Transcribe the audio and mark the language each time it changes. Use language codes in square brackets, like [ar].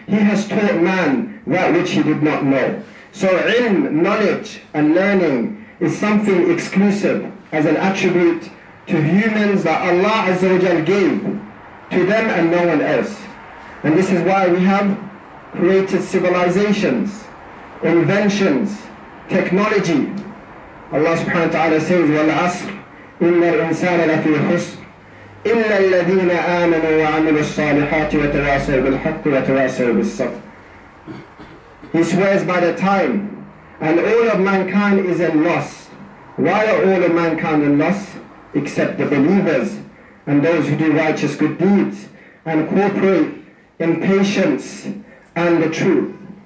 [en] He has taught man that which he did not know. So ilm, knowledge and learning is something exclusive as an attribute to humans that Allah Azza wa Jal gave to them and no one else. And this is why we have created civilizations, inventions, technology. Allah subhanahu wa ta'ala says, [ar] وَالْعَصْرِ إِنَّ الْإِنسَانَ لَفِي خُسْرِ إِلَّا الَّذِينَ آمَنُوا وَعَمِلُوا الصَّالِحَاتِ وَتَوَاصَوْا بِالْحَقِّ وَتَوَاصَوْا بِالصَّبْرِ. [en] He swears by the time, and all of mankind is in loss. Why are all of mankind in loss? Except the believers and those who do righteous good deeds and cooperate in patience and the truth.